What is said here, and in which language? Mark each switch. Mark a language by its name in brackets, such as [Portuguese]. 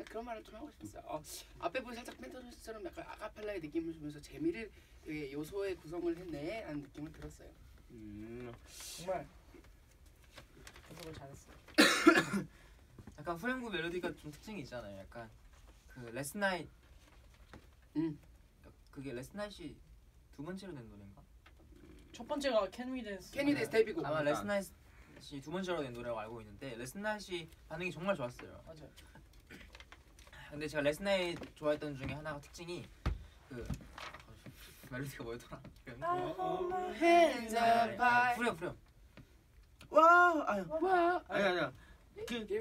[Korean] 그런 말을 좀 하고 싶었어요. 앞에 분 살짝 펜타토닉스처럼 약간 아카펠라의 느낌을 주면서 재미를 되게 요소에 구성을 했네라는 느낌을 들었어요. 정말 구성을 잘했어요. 약간 후렴구 멜로디가 좀 특징이 있잖아요. 약간 그 Last Night. 그게 Last Night이 두 번째로 낸 노래인가? 첫 번째가 Can We Dance. Can We Dance 데뷔곡. 아마 Last Night. 두 번째로 낸 노래라고 알고 있는데 레스나잇이 반응이 정말 좋았어요. 맞아요. 근데 제가 레스나잇 좋아했던 중에 하나가 특징이 그 멜로디가 뭐였더라? [English] I hold my hands up high. [Korean] 후렴 후렴. 와우 아니야 아니야 아니야 그